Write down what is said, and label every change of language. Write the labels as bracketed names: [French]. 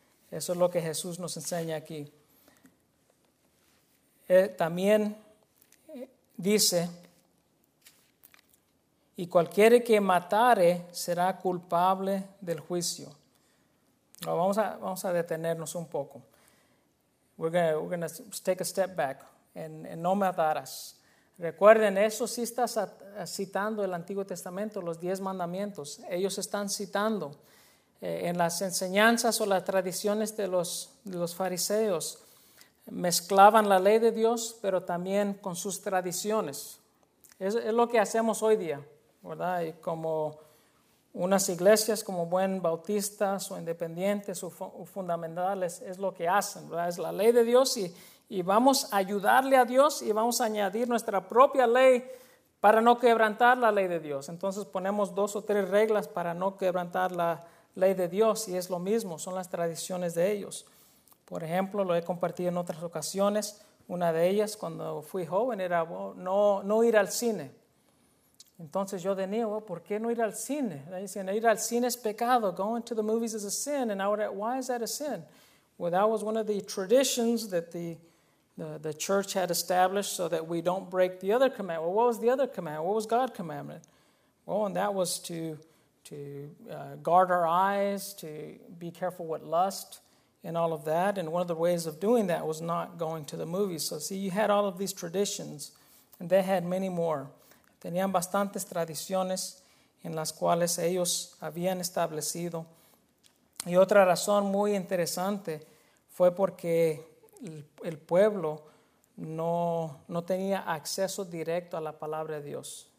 [Spanish] Eso es lo que Jesús nos enseña aquí. También dice, y cualquiera que matare será culpable del juicio. Vamos a detenernos un poco. [English] We're gonna take a step back. [Spanish] En no matarás. Recuerden, eso sí está citando el Antiguo Testamento, los 10 mandamientos. Ellos están citando en las enseñanzas o las tradiciones de los fariseos. Mezclaban la ley de Dios, pero también con sus tradiciones. Es lo que hacemos hoy día, ¿verdad? Y como unas iglesias, como buen bautistas o independientes o fundamentales, es lo que hacen, ¿verdad? Es la ley de Dios y vamos a ayudarle a Dios y vamos a añadir nuestra propia ley para no quebrantar la ley de Dios. Entonces ponemos dos o tres reglas para no quebrantar la ley de Dios y es lo mismo, son las tradiciones de ellos. Por ejemplo, lo he compartido en otras ocasiones, una de ellas cuando fui joven era no ir al cine. Entonces yo de niño, ¿por qué no ir al cine? Dicen, ir al cine es pecado. [English] Going to the movies is a sin. And I would ask, why is that a sin? Well, that was one of the traditions that the church had established so that we don't break the other command. Well, what was the other command? What was God's commandment? Well, and that was to guard our eyes, to be careful with lust and all of that. And one of the ways of doing that was not going to the movies. So see, you had all of these traditions and they had many more. [Spanish] Tenían bastantes tradiciones en las cuales ellos habían establecido. Y otra razón muy interesante fue porque el pueblo no tenía acceso directo a la palabra de Dios.